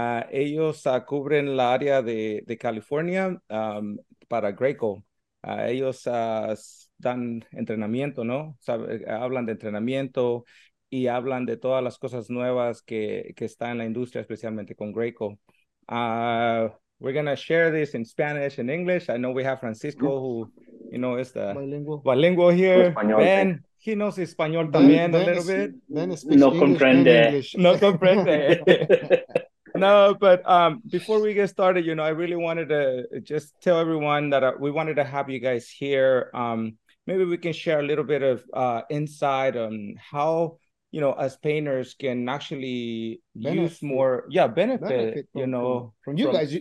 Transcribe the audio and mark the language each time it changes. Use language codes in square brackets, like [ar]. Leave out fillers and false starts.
[es] Ellos cubren la área de California para Graco. Ellos dan entrenamiento, ¿no? Hablan de entrenamiento y hablan de todas las cosas nuevas que está en la industria, especialmente con Graco. [en] We're going to share this in Spanish and English. I know we have Francisco, who, you know, is the bilingual here. Ben, he knows Español [es] también [en] a little bit. Ben speaks [es] no comprende. [en] English. [es] No comprende. [en] No, but before we get started, you know, I really wanted to just tell everyone that we wanted to have you guys here. Maybe we can share a little bit of insight on how, you know, as painters can actually benefit from you guys.